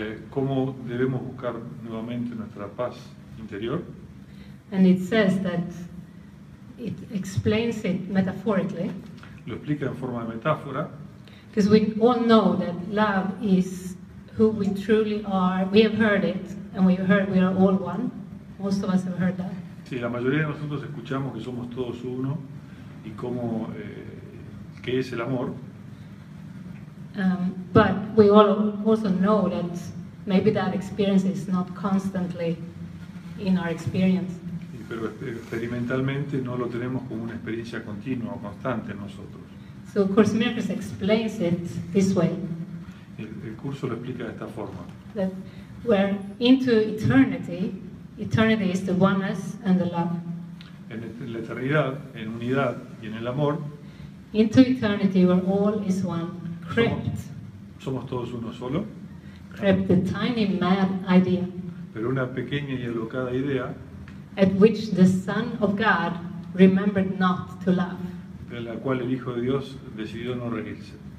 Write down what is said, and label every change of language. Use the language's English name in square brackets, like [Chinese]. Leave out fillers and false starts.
[Spanish] Cómo debemos buscar nuevamente nuestra paz interior. [English] And it says that it explains it metaphorically. [Spanish] Lo explica en forma de metáfora. [English] Because we all know that love is who we truly are. We have heard it, and we have heard we are all one. Most of us have heard that. [Spanish] Sí, la mayoría de nosotros escuchamos que somos todos uno, y cómo qué es el amor. [English] But we all also know that maybe that experience is not constantly in our experience. [Spanish] Pero experimentalmente no lo tenemos como una experiencia continua o constante en nosotros. [English] So of course Miracles explains it this way. [Spanish] El curso lo explica de esta forma. [English] That we're into eternity. Eternity is the oneness and the love. [Spanish] En la eternidad, en unidad y en el amor. [English] Into eternity where all is one. Crept. [Spanish] Somos todos uno solo. [English] Crept a tiny mad idea. [Spanish] Pero una pequeña y alocada idea. [English] At which the Son of God remembered not to laugh. [Spanish] En la cual el Hijo de Dios decidió no reírse.